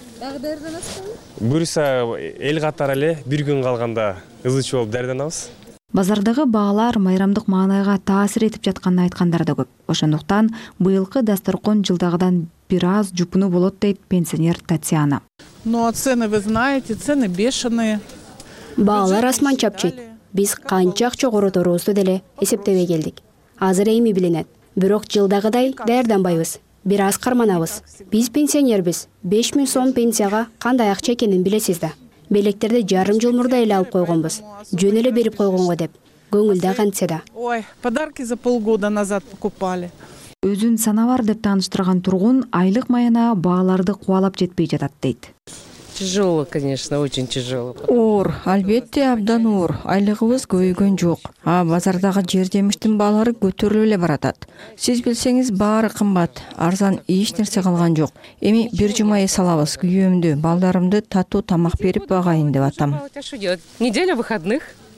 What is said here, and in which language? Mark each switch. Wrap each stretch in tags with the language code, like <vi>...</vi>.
<ky>Дагы дарыданасызбы? Буюрса эл катар эле бир күн калганда ызычуу болуп дарыданабыз. Базардагы баалар майрамдык маанайга таасир этип жатканын айткандар да көп. Ошондуктан быйылкы дасторкон жылдагыдан бир аз жупуну болот, дейт пенсионер Татьяна.</ky> <ru>Ну а цены вы знаете, цены бешеные.</ru> <ky>Баалар асман чапчыйт. Биз канча акча короторубузду деле эсептебей келдик. Азыр эми билинет. Бирок жылдагыдай даярданбайбыз. Бир аз карманабыз. Биз пенсионербиз. 5000 сом пенсияга кандай акча экенин билесиз да. Белектерди жарым жыл мурда эле алып койгонбуз. Жөн эле берип койгонго деп. Көңүлдө кантсе да.</ky> <ru>Ой, подарки за полгода назад покупали.</ru> <ky>Өзүн санавар деп тааныштырган тургун айлык маяна бааларды кубалап жетпей жатат, дейт.</ky> <ru>Тяжело, конечно, очень тяжело.</ru> <ky>Оор, албетте абдан оор. Айлыгыбыз көйгөн жок. А базардагы жер жемиштин баалары көтөрүлө эле баратат. Сиз билсеңиз, баары кымбат, арзан эч нерсе калган жок. Эми бир жума эс алабыз. Күйөөмдү, балдарымды татуу тамак берип багайын деп атам.</ky> <ru>Неделя выходных.</ru>